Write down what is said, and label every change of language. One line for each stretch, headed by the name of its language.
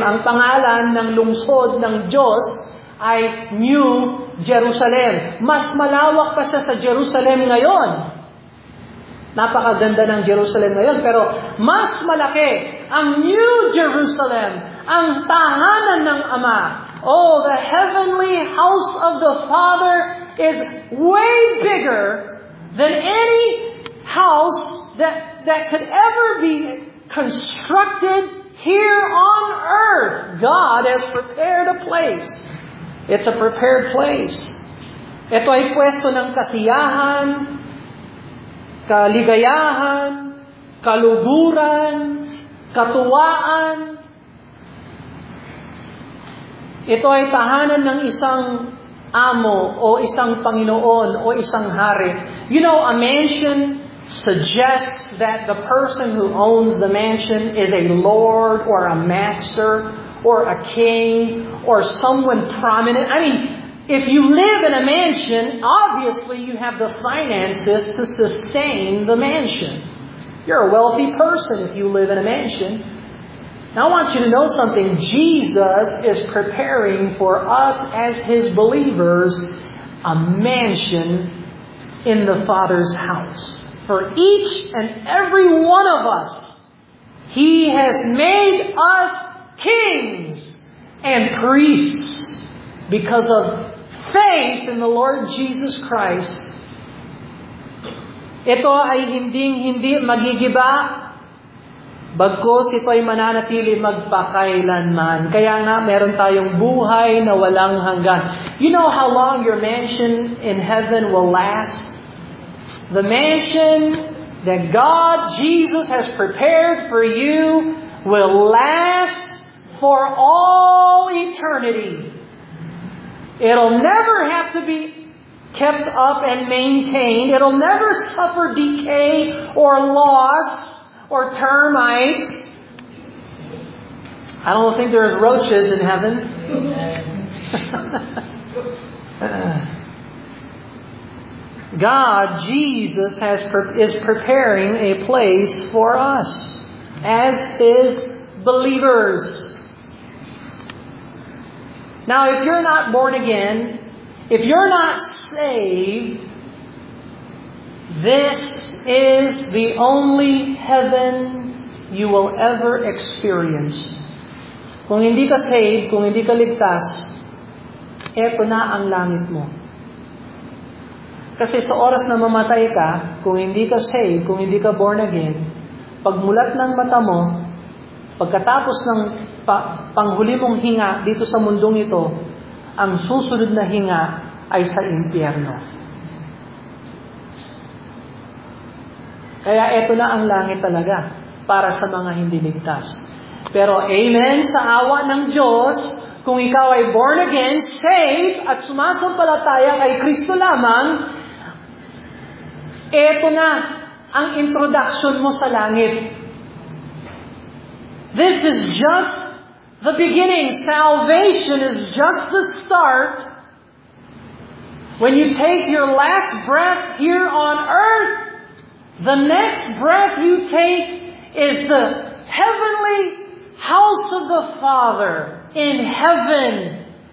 Filipino: Ang pangalan ng lungsod ng Diyos ay New Jerusalem. Mas malawak pa siya sa Jerusalem ngayon. Napakaganda ng Jerusalem ngayon, pero mas malaki ang New Jerusalem, ang tahanan ng Ama.
English: Oh, the heavenly house of the Father is way bigger than any house that could ever be constructed here on earth. God has prepared a place.
Filipino: It's a prepared place. Ito ay pwesto ng kasiyahan, kaligayahan, kaluguran, katuwaan. Ito ay tahanan ng isang amo o isang Panginoon o isang hari.
English: You know, a mansion suggests that the person who owns the mansion is a lord or a master or a king or someone prominent. I mean, if you live in a mansion, obviously you have the finances to sustain the mansion. You're a wealthy person if you live in a mansion. Now I want you to know something. Jesus is preparing for us as his believers a mansion in the Father's house. For each and every one of us, he has made us kings and priests because of faith in the Lord Jesus Christ.
Filipino: Ito ay hindi magigiba bagkos ito ay mananatili magpakailanman. Kaya nga, meron tayong buhay na walang hanggan.
English: You know how long your mansion in heaven will last? The mansion that God, Jesus, has prepared for you will last for all eternity. It'll never have to be kept up and maintained. It'll never suffer decay or loss or termites. I don't think there's roaches in heaven. God, Jesus, is preparing a place for us as his believers. Now, if you're not born again, if you're not saved, this is the only heaven you will ever experience.
Filipino: Kung hindi ka saved, kung hindi ka ligtas, eto na ang langit mo. Kasi sa oras na mamatay ka, kung hindi ka saved, kung hindi ka born again, pagmulat ng mata mo, pagkatapos ng panghuli mong hinga dito sa mundong ito, ang susunod na hinga ay sa impyerno. Kaya eto na ang langit talaga para sa mga hindi ligtas. Pero amen sa awa ng Diyos, kung ikaw ay born again, saved, at sumasampalataya kay Kristo lamang, eto na ang introduction mo sa langit.
English: This is just the beginning. Salvation is just the start. When you take your last breath here on earth, the next breath you take is the heavenly house of the Father in heaven.